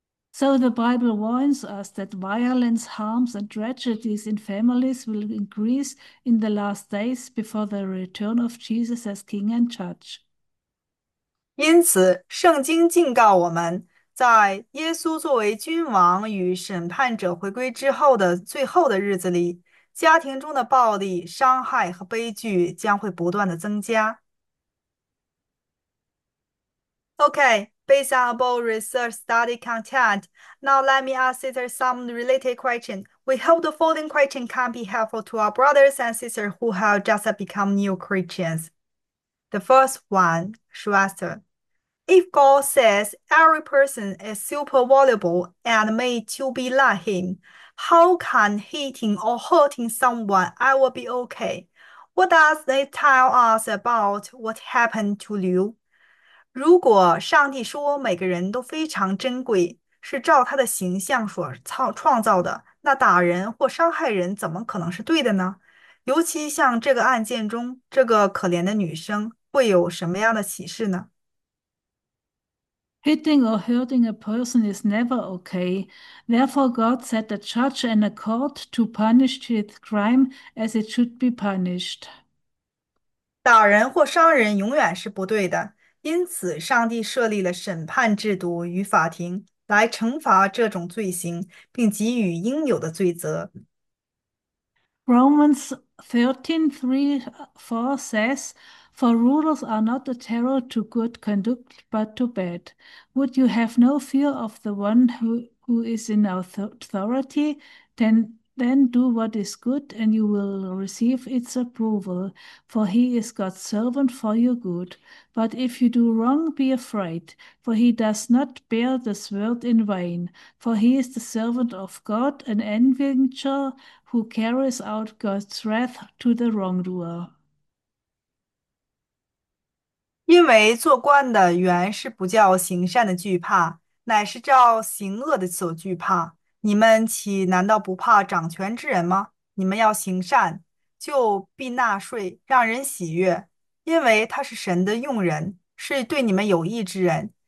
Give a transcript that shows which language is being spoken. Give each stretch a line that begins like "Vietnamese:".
English: So the Bible warns us that violence, harms, and tragedies in families will increase in the last days before the return of Jesus as King and Judge.
Chinese: 因此，圣经警告我们，在耶稣作为君王与审判者回归之后的最后的日子里，家庭中的暴力、伤害和悲剧将会不断的增加。
English: OK，based on above research study content, now let me ask sister some related question. We hope the following question can be helpful to our brothers and sisters who have just become new Christians. The first one, Shwester. If God says every person is super valuable and made to be like him, how can hitting or hurting someone ever be okay? What does it tell us about what happened to Liu?
Chinese: 如果上帝说每个人都非常珍贵，是照他的形象所创造的，那打人或伤害人怎么可能是对的呢？尤其像这个案件中，这个可怜的女生会有什么样的启示呢？
English: Hitting or hurting a person is never okay. Therefore, God set a judge and a court to punish his crime as it should be punished.
Chinese: 打人或伤人永远是不对的，因此上帝设立了审判制度与法庭来惩罚这种罪行，并给予应有的罪责。
English: Romans 13:3-4 says, "For rulers are not a terror to good conduct, but to bad. Would you have no fear of the one who is in authority? Then do what is good, and you will receive its approval, for he is God's servant for your good. But if you do wrong, be afraid, for he does not bear the sword in vain, for he is the servant of God, an avenger who carries out God's wrath to the wrongdoer."
Chinese: 因为做官的原是不叫行善的惧怕，乃是叫行恶的所惧怕。你们岂难道不怕掌权之人吗？你们要行善，就必纳税，让人喜悦，因为他是神的用人，是对你们有益之人。